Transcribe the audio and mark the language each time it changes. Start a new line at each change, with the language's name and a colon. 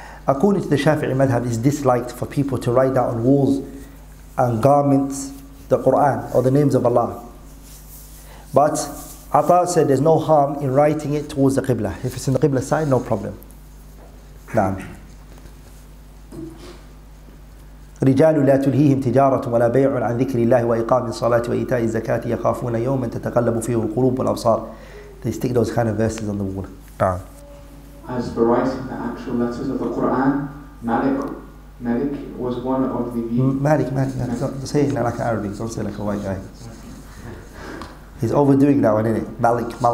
English: According to the Shafi'i madhab, it's disliked for people to write down on walls and garments the Quran or the names of Allah. But Atta said there's no harm in writing it towards the Qibla. If it's in the Qibla side, no problem.
Arabic: Naam. رجال لا تلهيهم تجارة ولا بيع عن ذكر الله وإقام الصلاة وإيتاء الزكاة يخافون يوما تتقلب فيه القلوب والأبصار.
English: They stick those kind of verses on the wall. As for writing the actual letters of the Quran, Malik was one of the Malik. Say it now like an Arabic, don't say like a white guy. He's overdoing that one, isn't it? Malik.